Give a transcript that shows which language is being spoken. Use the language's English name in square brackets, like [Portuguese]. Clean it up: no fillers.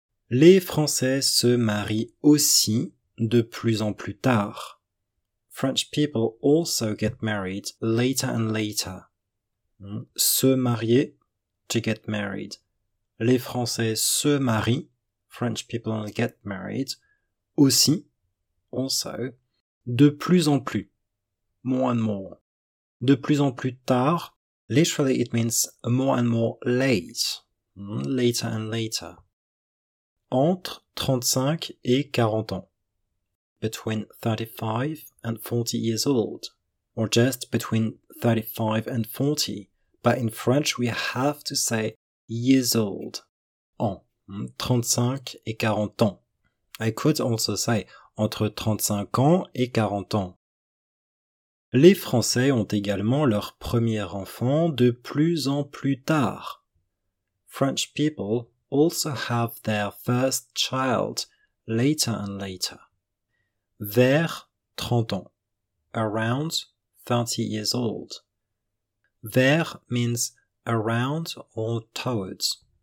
[French] Les Français se marient aussi de plus en plus tard. [English] French people also get married later and later. [French] Se marier, [English] to get married. [French] Les Français se marient. [English] French people get married. [French] Aussi. [English] Also. [French] De plus en plus. [English] More and more. [French] De plus en plus tard. [English] Literally, it means more and more late. Later and later. [French] Entre 35 et 40 ans. [English] Between 35 and 40 years old. Or just between 35 and 40. But in French, we have to say years old. [French] En. 35 et 40 ans. [English] I could also say [French] entre 35 ans et 40 ans. Les Français ont également leur premier enfant de plus en plus tard. [English] French people also have their first child later and later. [French] Vers 30 ans. [English] Around 30 years old. Vers means around or towards.